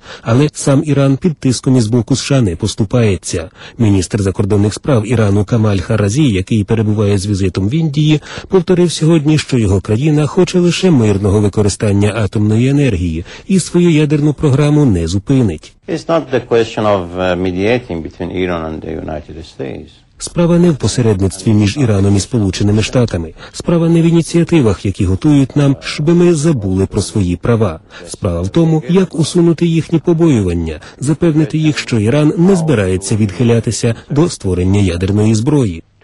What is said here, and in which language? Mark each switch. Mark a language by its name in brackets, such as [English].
[Ukrainian] Але сам Іран під тиском із боку США не поступається. Міністр закордонних справ Ірану Камаль Харазі, який перебуває з візитом в Індії, повторив сьогодні, що його країна хоче лише мирного використання атомної енергії і свою ядерну програму не зупинить. [English] It's not the question of mediating between Iran and the United States. [Ukrainian] Справа не в посередництві між Іраном і Сполученими Штатами. Справа не в ініціативах, які готують нам, щоби ми забули про свої права. Справа в тому, як усунути їхні побоювання, запевнити їх, що Іран не збирається відхилятися до створення ядерної зброї.